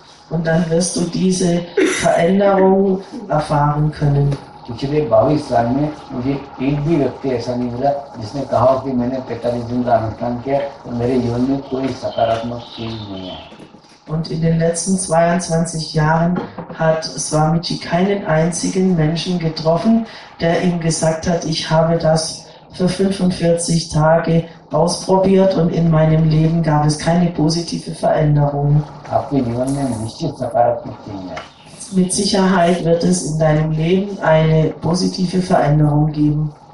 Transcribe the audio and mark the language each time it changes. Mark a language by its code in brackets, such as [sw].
[de] Und dann wirst du diese Veränderung erfahren können. [hi] पिछले 22 साल में मुझे एक भी व्यक्ति ऐसा नहीं मिला जिसने कहा कि मैंने 45 दिन का अनुष्ठान किया और मेरे जीवन में कोई सकारात्मक चेंज नहीं आया। [de] Und in den letzten 22 Jahren hat Swamiji keinen einzigen Menschen getroffen, der ihm gesagt hat, ich habe das für 45 Tage ausprobiert und in meinem Leben gab es keine positive Veränderung. [hi] आपके जीवन में निश्चित सकारात्मक change आया। [de] Mit Sicherheit wird es in deinem Leben eine positive Veränderung geben.